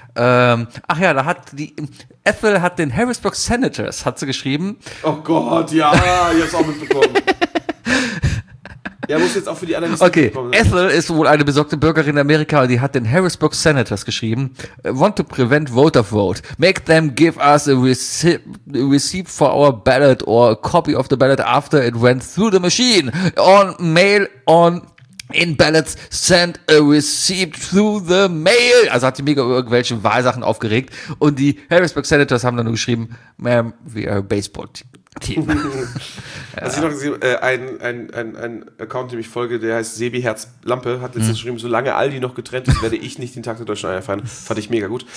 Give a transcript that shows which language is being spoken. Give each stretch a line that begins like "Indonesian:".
German: Ach ja, da hat die... Ethel hat den Harrisburg Senators, hat sie geschrieben. Oh Gott, ja, ich hab's auch mitbekommen. Ja, muss jetzt auch für die anderen. Okay, Ethel ist wohl eine besorgte Bürgerin in Amerika, die hat den Harrisburg Senators geschrieben.
English: Want to prevent voter vote. Make them give us a receipt for our ballot or a copy of the ballot after it went through the machine. On mail, on in ballots, send a receipt through the mail.
German: Also hat sie mega über irgendwelche Wahlsachen aufgeregt. Und die Harrisburg Senators haben dann nur geschrieben,
English: ma'am, we are a baseball team. Team.
German: Hast du noch gesehen, ein Account, dem ich folge, der heißt Sebi Herz Lampe, hat letztens geschrieben, solange Aldi noch getrennt ist, werde ich nicht den Tag der Deutschen Einheit feiern. Fand ich mega gut.